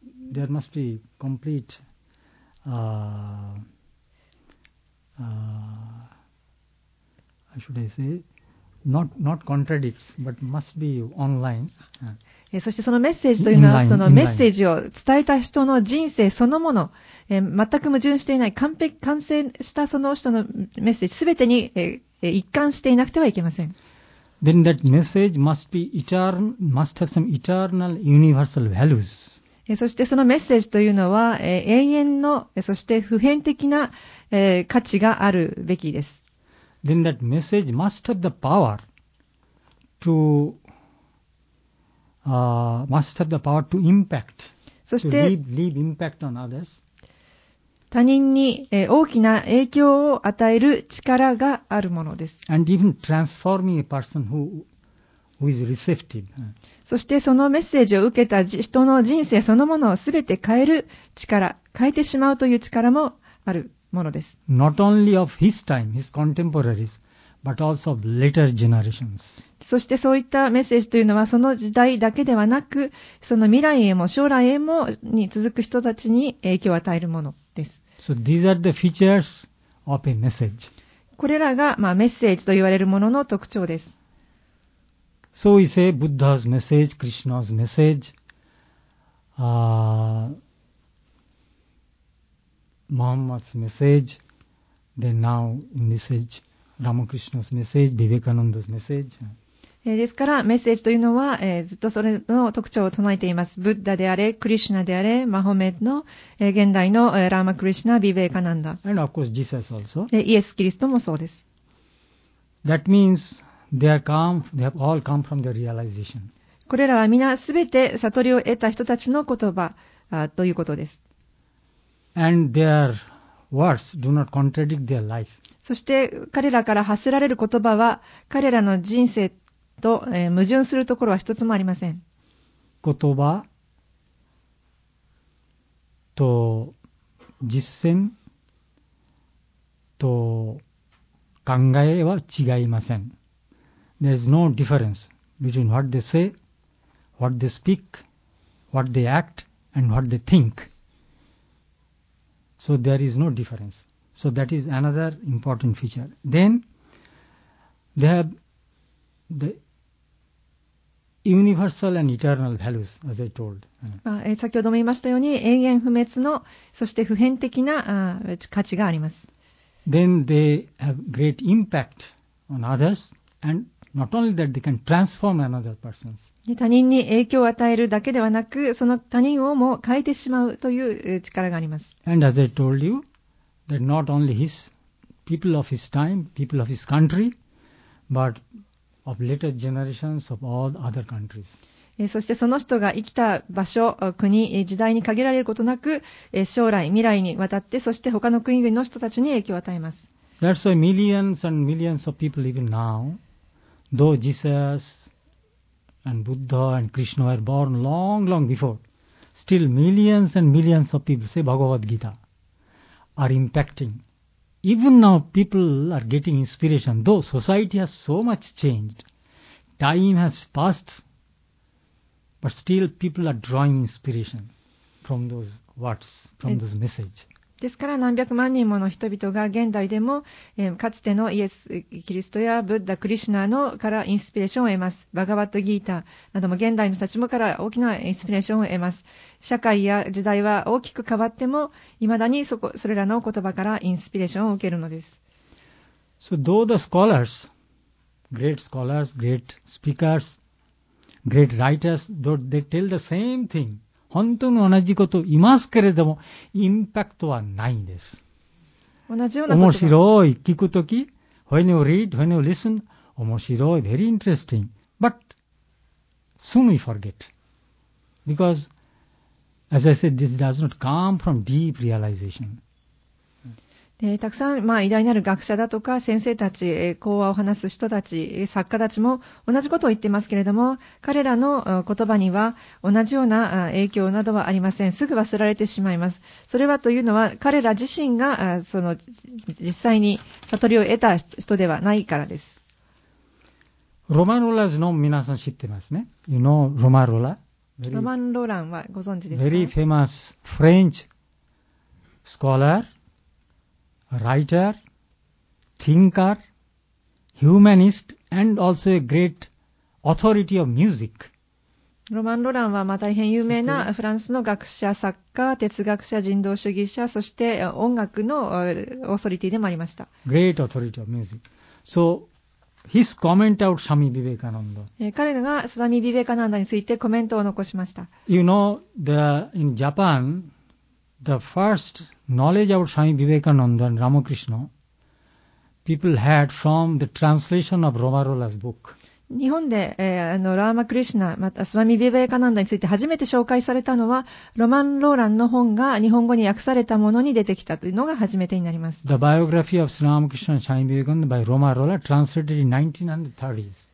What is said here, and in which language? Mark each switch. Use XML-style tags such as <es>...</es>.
<en>There must be complete not contradicts, but must be online.</en> <ja>そしてそのメッセージというのは、そのメッセージを伝えた人の人生そのもの、全く矛盾していない完璧完成したその人のメッセージ、すべてに一貫していなくてはいけません。</ja> <en>Then that message must be eternal, must have some eternal universal values.</en> <ja>そしてそのメッセージというのは永遠のそして普遍的な価値があるべきです。</ja> <en>Then that message must have the power to, must have the power to impact,</en> <ja>そして</ja> <en>leave impact on others.</en> <ja>他人に大きな影響を与える力があるものです。</ja> <en>And even transforming a person who is receptive.</en> <ja>そしてそのメッセージを受けた人の人生そのものをすべて変える力、変えてしまうという力もあるものです。</ja> <en>Not only of his time, his contemporaries, but also of later generations.</en> <ja>そしてそういったメッセージというのはその時代だけではなく、その未来へも将来へもに続く人たちに影響を与えるもの。</ja> <en>So these are the features of a message.</en> <ja>これらが、まあ、メッセージと言われるものの特徴です。</ja> <en>So we say Buddha's message, Krishna's message, Muhammad's message, then now in this age, Ramakrishna's message, Vivekananda's message.</en> <ja>ですからメッセージというのは、ずっとそれの特徴を唱えています。ブッダであれクリシュナであれマホメの、現代の、ラーマクリシュナビベーカナンダ</ja> <en>And of course, Jesus also.</en> <ja>イエスキリストもそうです。</ja> <en>That means they have all come from the realization.</en> <ja>これらは皆すべて悟りを得た人たちの言葉ということです。</ja> <en>And their words do not contradict their life.</en> <ja>そして彼らから発せられる言葉は彼らの人生と矛盾するところは一つもありません。言葉と実践と考えは違いません。</ja> <en>There is no difference between what they say, what they speak, what they act, and what they think. So there is no difference. So that is another important feature. Then they have the Universal and eternal values, as I told.</en> <ja>先ほども言いましたように、永遠不滅の、そして普遍的な価値があります。</ja> <en>Then they have great impact on others, and not only that, they can transform another person's.</en> <ja>他人に影響を与えるだけではなく、その他人をも変えてしまうという力があります。</ja> <en>And as I told you, that not only his people of his time, people of his country, but of later generations of all other countries.</en> <ja>そしてその人が生きた場所、国、時代に限られることなく、将来、未来にわたって、そして他の国々の人たちに影響を与えます。</ja> <en>That's why millions and millions of people even now, though Jesus and Buddha and Krishna were born long, long before, still millions and millions of people, say Bhagavad Gita, are impacting. Even now, people are getting inspiration. Though society has so much changed, time has passed, but still people are drawing inspiration from those words, from those messages.</en> <ja>ですから何百万人もの人々が現代でも、かつてのイエス・キリストやブッダ・クリシュナのからインスピレーションを得ます。バガバット・ギータなども現代の人たちもから大きなインスピレーションを得ます。社会や時代は大きく変わっても未だに それらの言葉からインスピレーションを受けるのです。</ja> <en>So though the scholars, great scholars, great speakers, great writers, though they tell the same thing</en> <ja>本当に同じこと言いますけれども、インパクトはないんです。同じようなこと。面白い、聞くとき、</ja> <en>when you read, when you listen,</en> <ja>面白い、</ja> <en>very interesting. But, soon we forget. Because, as I said, this does not come from deep realization.</en> <ja>でたくさん、まあ、偉大なる学者だとか、先生たち、講話を話す人たち、作家たちも同じことを言ってますけれども、彼らの言葉には同じような影響などはありません。すぐ忘られてしまいます。それはというのは、彼ら自身が実際に悟りを得た人ではないからです。ロマン・ローラーズの皆さん知ってますね。</ja> <en>You know, ロマン・ローラー。</en> <ja>ロマン・ローランはご存知です</ja> <en>か？Very famous French scholar. Writer, thinker, humanist, and also a great authority of music.</en> <ja>ロマン・ロランは大変有名なフランスの学者、作家、哲学者、人道主義者、そして音楽のオーソリティでもありました。</ja> <en>Great authority of music. So, his comment out Swami Vivekananda.</en> <ja>彼がスワミ・ビベカナンダについてコメントを残しました。</ja> <en>You know, in Japan,The first knowledge about Swami Vivekananda and Ramakrishna, people had from the translation of Romarola's book.</en> <ja>日本で、ラーマクリシュナ、またスワミ・ビベカナンダについて初めて紹介されたのは、ロマン・ローランの本が日本語に訳されたものに出てきたというのが初めてになります。</ja> <en>The biography of Sri Ramakrishna and Swami Vivekananda by Romarola translated in 1930s.</en>